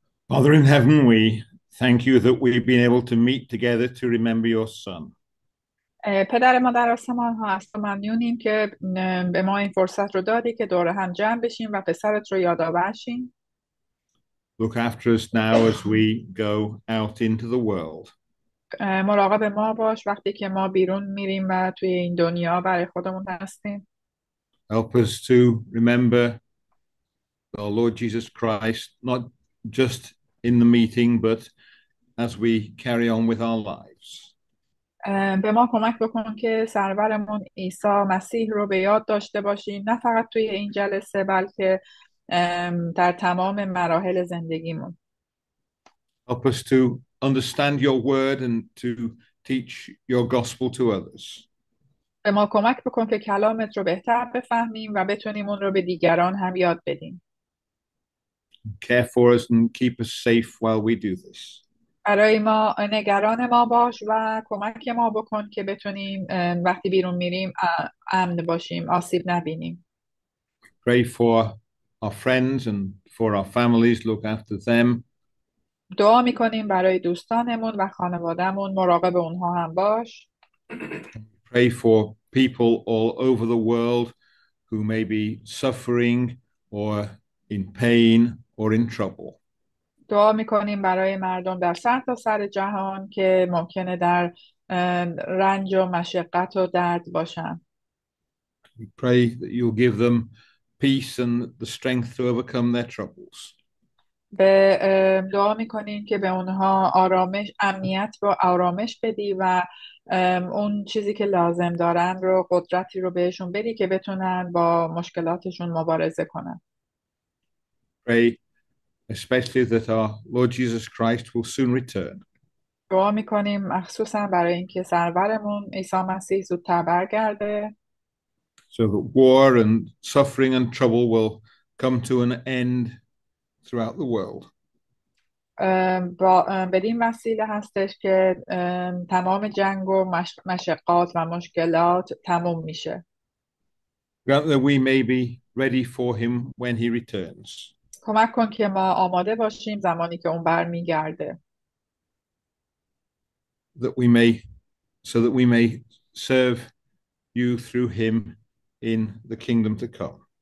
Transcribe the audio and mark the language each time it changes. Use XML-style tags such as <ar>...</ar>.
<en>Father in heaven, we thank you that we've been able to meet together to remember your son.</en> <fa>پدر ما در آسمان ها هست و ممنونیم که به ما این فرصت رو دادی که دور هم جمع بشیم و پسرت رو یادآور شیم.</fa> <en>Look after us now as we go out into the world.</en> <fa>مراقب ما باش وقتی که ما بیرون میریم و توی این دنیا برای خودمون هستیم.</fa> <en>Help us to remember our Lord Jesus Christ, not just in the meeting, but as we carry on with our lives.</en> <fa>به ما کمک بکن که سرورمون عیسی مسیح رو به یاد داشته باشیم، نه فقط توی این جلسه بلکه در تمام مراحل زندگیمون.</fa> <en>Help us to understand your word and to teach your gospel to others.</en> <fa>به ما کمک بکن که کلامت رو بهتر بفهمیم و بتونیم اون رو به دیگران هم یاد بدیم.</fa> <en>Care for us and keep us safe while we do this.</en> <fa>برای ما نگران ما باش و کمک ما بکن که بتونیم وقتی بیرون میریم امن باشیم، آسیب نبینیم.</fa> <en>Pray for our friends and for our families. Look after them.</en> <fa>دعا میکنیم برای دوستانمون و خانوادهمون، مراقب اونها هم باش.</fa> <en>Pray for people all over the world who may be suffering or in pain or in trouble.</en> <fa>دعا میکنیم برای مردم در سرتاسر جهان که ممکنه در رنج و مشقت و درد باشن.</fa> <en>We pray that you'll give them peace and the strength to overcome their troubles.</en> <fa>به دعا میکنیم که به اونها آرامش، امنیت و آرامش بدی و اون چیزی که لازم دارن رو، قدرتی رو بهشون بدی که بتونن با مشکلاتشون مبارزه کنن.</fa> <en>Pray especially that our Lord Jesus Christ will soon return.</en> <fa>دعا میکنیم مخصوصا برای اینکه سرورمون عیسی مسیح زودتر برگرده.</fa> <en>So that war and suffering and trouble will come to an end throughout the world.</en> <fa>بدین وسیله هستش که تمام جنگ و مشقات و مشکلات تموم میشه.</fa> <en>Grant that we may be ready for him when he returns.</en> <fa>کمک کن که ما آماده باشیم زمانی که اون برمیگرده.</fa> <en>So that we may serve you through him in the kingdom to come.</en>